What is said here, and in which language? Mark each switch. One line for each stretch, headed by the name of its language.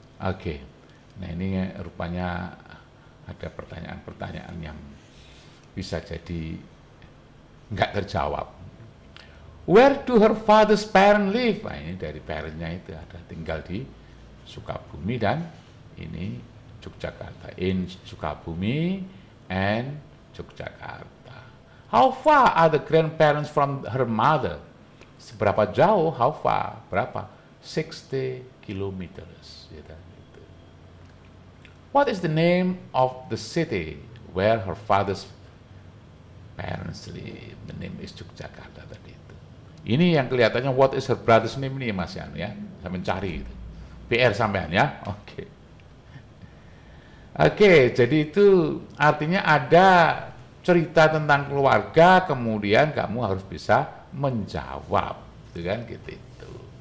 Indonesian: Oke, okay. Nah ini rupanya ada pertanyaan-pertanyaan yang bisa jadi nggak terjawab.
English: Where do her father's parents live?
Indonesian: Nah, ini dari parentsnya itu ada tinggal di Sukabumi dan ini Yogyakarta.
English: In Sukabumi and Yogyakarta. How far are the grandparents from her mother?
Indonesian: Seberapa jauh?
English: How far?
Indonesian: Berapa?
English: 60 kilometers. What is the name of the city where her father's parents live? The name is Yogyakarta
Indonesian: tadi itu. Ini yang kelihatannya
English: what is her brother's name
Indonesian: ini Mas Yan ya. Saya mencari itu. PR sampean ya. Oke. Okay. Oke, okay, jadi itu artinya ada cerita tentang keluarga kemudian kamu harus bisa menjawab, gitu kan gitu itu.